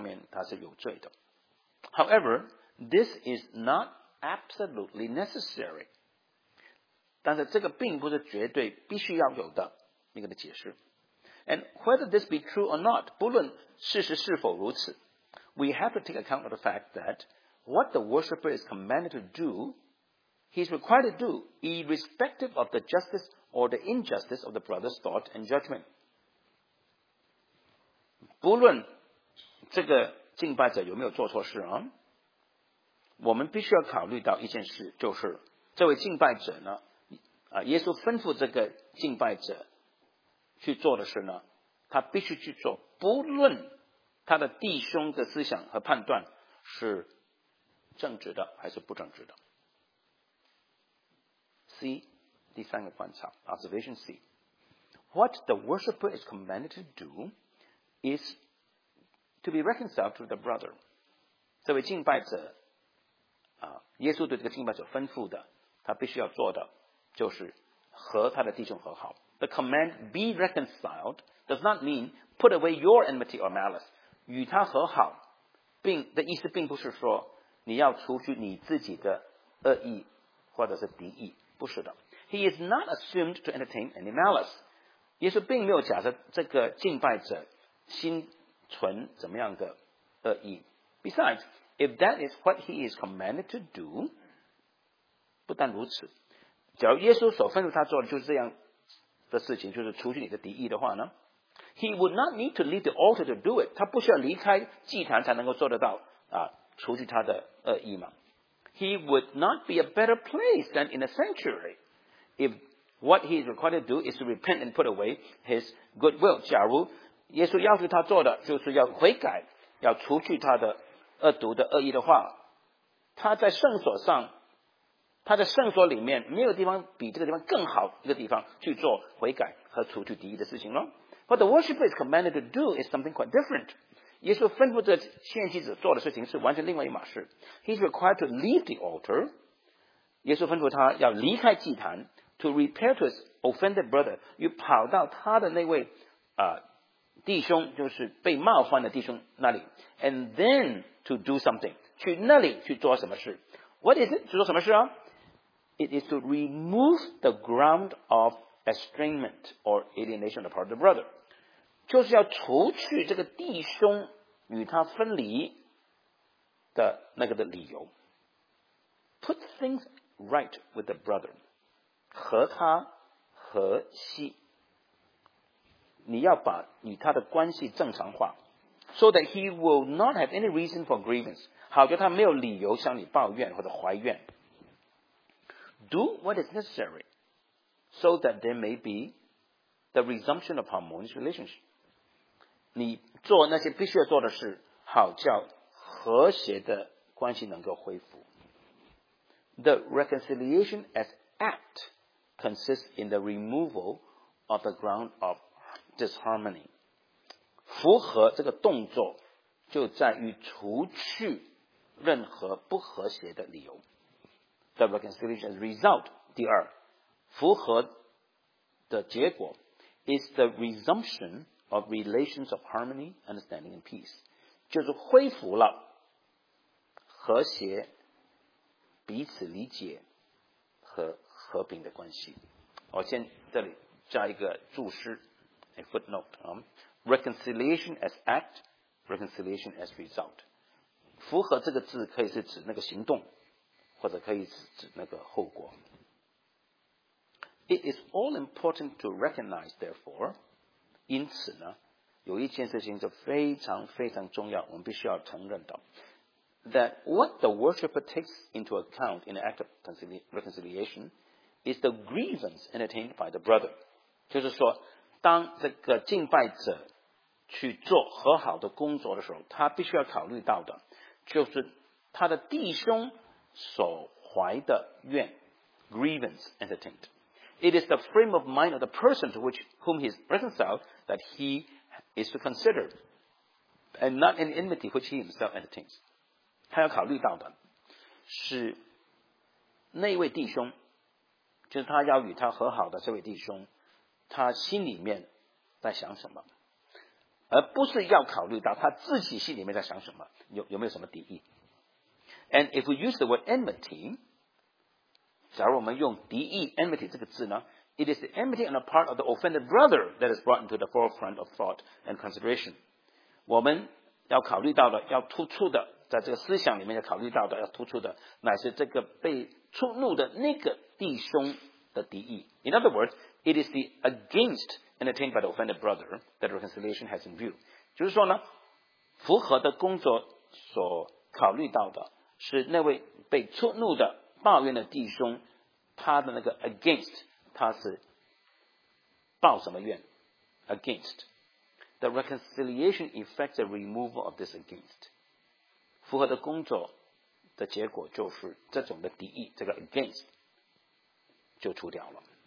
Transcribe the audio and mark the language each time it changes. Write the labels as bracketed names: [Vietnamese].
[Chinese] 这个个案里面所假设的很可能是这个敬拜献祭的人呢，可能做了什么事情得罪了另外那位的弟兄，也就是说呢，他可能犯了什么的罪，或者说违反了爱的诫命，这方面他是有罪的。 [English] However, this is not absolutely necessary. [Chinese] 但是这个并不是绝对必须要有的那个的解释。 [English] And whether this be true or not, [Chinese] 不论事实是否如此, [English] we have to take account of the fact that what the worshipper is commanded to do, he's required to do, irrespective of the justice or the injustice of the brother's thought and judgment. [Chinese] 不论这个敬拜者有没有做错事啊, 我们必须要考虑到一件事, 就是这位敬拜者呢, 耶稣吩咐这个敬拜者去做的事呢, 他必须去做, 不论他的弟兄的思想和判断是正直的还是不正直的。 [English] C, [Chinese] 第三个观察, [English] Observation C. What the worshipper is commanded to do is to be reconciled to the brother. [Chinese] 这位敬拜者, 耶稣对这个敬拜者吩咐的, 他必须要做的, 就是和他的弟兄和好。 [English] The command, be reconciled, does not mean put away your enmity or malice. [Chinese] 与他和好, 的意思并不是说你要除去你自己的恶意或者是敌意, 不是的。 [English] He is not assumed to entertain any malice. [Chinese] 耶稣并没有假设这个敬拜者心存怎么样的恶意。 [English] Besides, if that is what he is commanded to do, [Chinese] 不但如此, 假如耶稣所吩咐他做的就是这样, 的事情，就是除去你的敌意的话呢？ [English] He would not need to leave the altar to do it. [Chinese] 他不需要离开祭坛才能够做得到、啊、除去他的恶意嘛。 [English] He would not be a better place than in a sanctuary if what he is required to do is to repent and put away his goodwill. [Chinese] 假如耶稣要求他做的就是要悔改，要除去他的恶毒的恶意的话，他在圣所上，他在圣所里面没有地方比这个地方更好一个地方去做悔改和除去敌意的事情了。 [English] What the worshiper is commanded to do is something quite different. [Chinese] 耶稣吩咐这献祭者做的事情是完全另外一码事。 [English] He's required to leave the altar. [Chinese] 耶稣吩咐他要离开祭坛 [English] to repair to his offended brother. [Chinese] 又跑到他的那位、弟兄，就是被冒犯的弟兄那里。 [English] And then to do something. [Chinese] 去那里去做什么事。 [English] What is it? [Chinese] 去做什么事啊？ [English] It is to remove the ground of estrangement or alienation on the part of the brother. [Chinese] 就是要除去这个弟兄与他分离的那个的理由。 [English] Put things right with the brother. [Chinese] 和他和稀。你要把与他的关系正常化。 [English] So that he will not have any reason for grievance. [Chinese] 好叫他没有理由向你抱怨或者怀怨。 [English] Do what is necessary so that there may be the resumption of harmonious relationship. [Chinese] 你做那些必须要做的事，好叫和谐的关系能够恢复。 [English] The reconciliation as act consists in the removal of the ground of disharmony. [Chinese] 复合这个动作就在于除去任何不和谐的理由。 [English] The reconciliation result, [Chinese] 第二，复合的结果 [English] is the resumption of relations of harmony, understanding and peace. [Chinese] 就是恢复了和谐彼此理解和和平的关系。我先这里加一个注释 [English] a footnote,、reconciliation as act, reconciliation as result. [Chinese] 复合这个字可以是指那个行动。或者可以指那个后果。 [English] It is all important to recognize, therefore, [Chinese] 因此呢，有一件事情就非常非常重要，我们必须要承认到 [English] ，that what the worshipper takes into account in the act of reconciliation is the grievance entertained by the brother. [Chinese] 就是说，当这个敬拜者去做和好的工作的时候，他必须要考虑到的，就是他的弟兄。所怀的怨 [English] grievance entertained. It is the frame of mind of the person to which, whom he is reconciled that he is to consider and not an enmity which he himself entertains. [Chinese] 他要考虑到的是那位弟兄，就是他要与他和好的这位弟兄，他心里面在想什么，而不是要考虑到他自己心里面在想什么， 有没有什么敌意。 [English] And if we use the word enmity, [Chinese] 假如我们用敌意 [English] enmity [Chinese] 这个字呢， [English] it is the enmity on the part of the offended brother that is brought into the forefront of thought and consideration. [Chinese] 我们要考虑到的，要突出的，在这个思想里面要考虑到的，要突出的，乃是这个被触怒的那个弟兄的敌意。 [English] In other words, it is the against entertained by the offended brother that reconciliation has in view. [Chinese] 就是说呢，复合的工作所考虑到的是那位被触怒的抱怨的弟兄，他的那个 against， 他是抱什么怨 ？ [English] against the reconciliation effects a removal of this against， [Chinese] 复合的工作的结果就是这种的敌意，这个 against 就除掉了。